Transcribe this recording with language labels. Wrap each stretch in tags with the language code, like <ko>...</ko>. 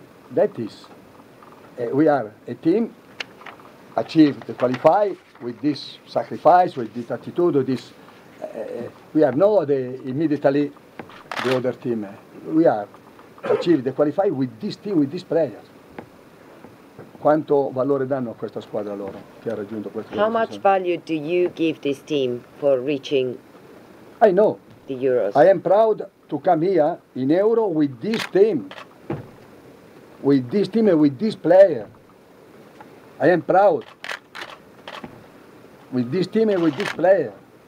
<en>That is, we are a team, achieve the qualify with this sacrifice, with this attitude, with this. We are not immediately the other team. We are achieve the qualify with this team, with this player.</en> <it>Quanto valore danno a questa squadra loro che ha raggiunto questo</it> <en>How much value do you give this team for reaching I know. The Euros? I am proud to come here in Euro with this team. With this team and with this player. I am proud. With this team and with this player.</en>